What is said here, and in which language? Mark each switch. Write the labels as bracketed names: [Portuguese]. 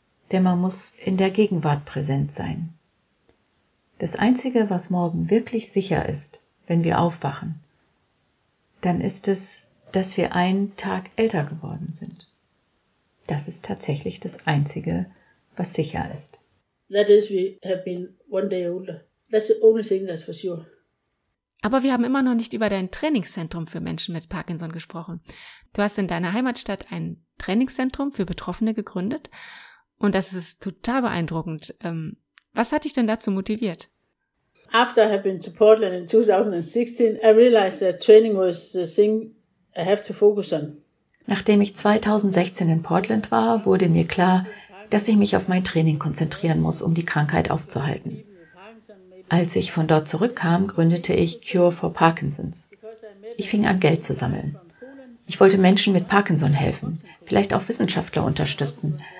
[German] Denn man muss in der Gegenwart präsent sein. Das Einzige, was morgen wirklich sicher ist, wenn wir aufwachen, dann ist es, dass wir einen Tag älter geworden sind. Das ist tatsächlich das Einzige, was sicher ist. [English] That is, we have been one day older. That's the only thing that's for sure. [German] Aber wir haben immer noch nicht über dein Trainingszentrum für Menschen mit Parkinson gesprochen. Du hast in deiner Heimatstadt ein Trainingszentrum für Betroffene gegründet und das ist total beeindruckend. Was hat dich denn dazu motiviert? [English] After I had been to Portland in 2016, I realized that training was the thing I have to focus on. [German] Nachdem ich 2016 in Portland war, wurde mir klar, dass ich mich auf mein Training konzentrieren muss, um die Krankheit aufzuhalten. Als ich von dort zurückkam, gründete ich Cure for Parkinson's. Ich fing an, Geld zu sammeln. Ich wollte Menschen mit Parkinson helfen, vielleicht auch Wissenschaftler unterstützen.